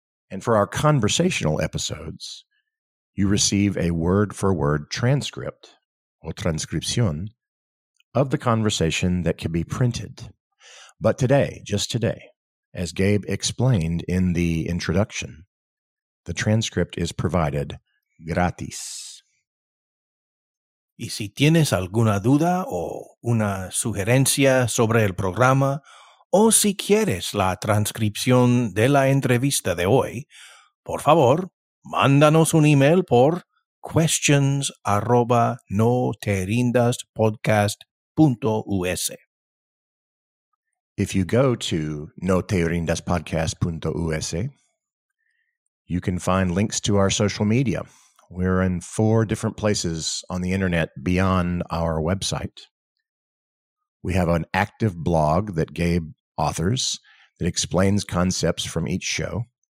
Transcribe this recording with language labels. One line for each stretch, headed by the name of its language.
English: And for our conversational episodes, you receive a word-for-word transcript, or transcripción, of the conversation that can be printed. But today, just today, as Gabe explained in the introduction, the transcript is provided gratis.
Spanish: Y si tienes alguna duda o una sugerencia sobre el programa, o si quieres la transcripción de la entrevista de hoy, por favor, mándanos un email por questions@noterindaspodcast.us.
English: If you go to noterindaspodcast.us, you can find links to our social media. We're in 4 different places on the internet beyond our website. We have an active blog that Gabe authors that explains concepts from each show.